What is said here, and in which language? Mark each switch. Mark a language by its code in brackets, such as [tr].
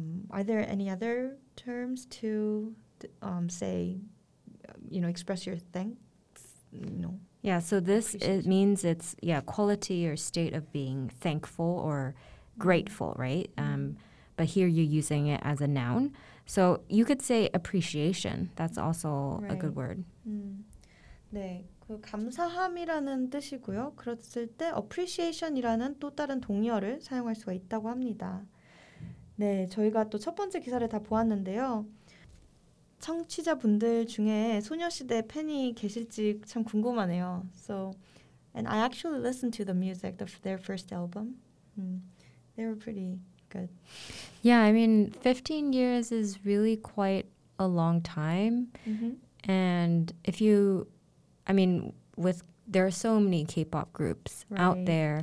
[en] Are there any other terms to say, you know, express your thanks? No. Yeah, so this it means it's quality or state of being thankful or grateful, right? But here you're using it as a noun. So you could say appreciation. That's also a good word. [ko] 네, 그 감사함이라는 뜻이고요. 그랬을 때 appreciation이라는 또 다른 동의어를 사용할 수가 있다고 합니다. 네, 저희가 또 첫 번째 기사를 다 보았는데요. 청취자분들 중에 소녀시대 팬이 계실지 참 궁금하네요. [en] So, and I actually listened to the music of their first album. They were pretty good. Yeah, I mean, 15 years is really quite a long time. And if you, I mean, with there are so many K-pop groups out there.